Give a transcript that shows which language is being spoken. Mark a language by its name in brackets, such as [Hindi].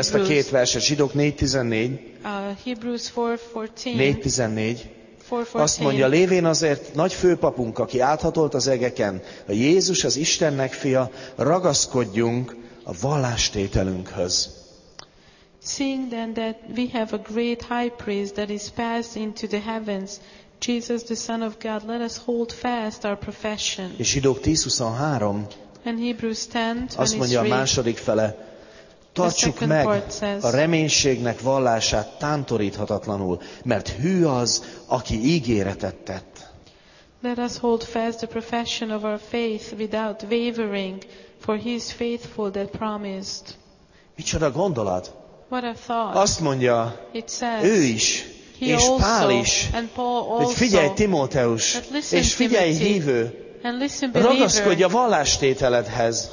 [Hungarian] ezt a két verset. Zsidók 4.14. [English] Hebrews 4.14. [Hungarian] 4.14. Azt mondja, lévén azért nagy főpapunk, aki áthatolt az egeken, a Jézus az Istennek fia, ragaszkodjunk a vallástételünkhöz. [English] Seeing then that we have a great high priest that is passed into the heavens, Jesus the Son of God, let us hold fast our profession. [Hungarian] És Zsidók 10:23. [English] And Hebrews 10:23. [Hungarian] Azt mondja a második fele. Tartsuk meg a reménységnek vallását tántoríthatatlanul, mert hű az, aki ígéretet tett. [English] Let us hold fast the profession of our faith without wavering, for he is faithful that promised. [Hungarian] Micsoda gondolat? [English] What a thought. [Hungarian] Azt mondja, [English] it says, [Hungarian] ő is, és Pál is, hogy figyelj Timóteus, és figyelj hívő, ragaszkodj a vallástételedhez.